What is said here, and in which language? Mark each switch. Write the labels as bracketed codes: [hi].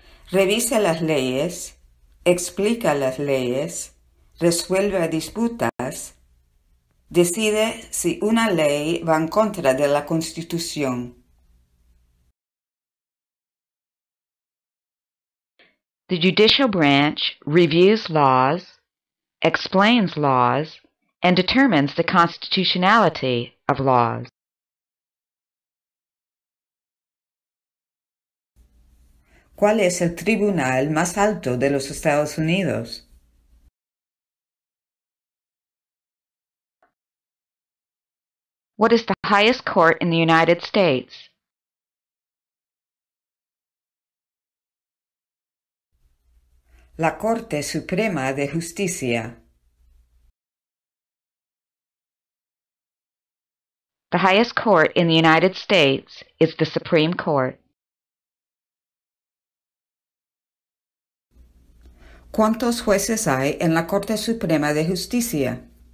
[es] Revisa las leyes, explica las leyes, resuelve disputas, decide si una ley va en contra de la Constitución. [en] The judicial branch reviews laws, explains laws, and determines the constitutionality of laws. [es] ¿Cuál es el tribunal más alto de los Estados Unidos? [en] What is the highest court in the United States? [es] La Corte Suprema de Justicia. [en] The highest court in the United States is the Supreme Court. [es] ¿Cuántos jueces hay en la Corte Suprema de Justicia?